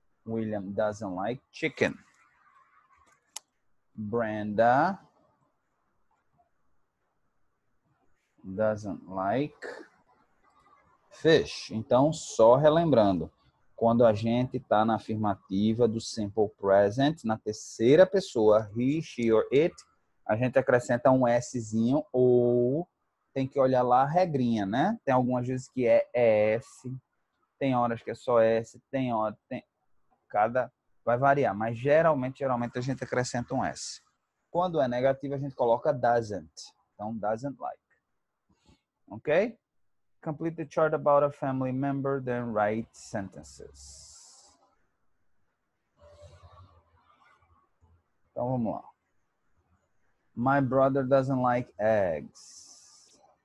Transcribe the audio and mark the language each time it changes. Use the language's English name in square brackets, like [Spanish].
[English] William doesn't like chicken. Brenda doesn't like fish. [Portuguese] Então, só relembrando, quando a gente está na afirmativa do simple present, na terceira pessoa, [English] he, she or it, [Portuguese] a gente acrescenta um Szinho ou tem que olhar lá a regrinha, né? Tem algumas vezes que é S, tem horas que é só S, tem hora, tem... Cada vai variar, mas geralmente a gente acrescenta um S. Quando é negativo, a gente coloca doesn't. Então, [English] doesn't like. [Portuguese] Ok? [English] Complete the chart about a family member, then write sentences. [Portuguese] Então, vamos lá. [English] My brother doesn't like eggs.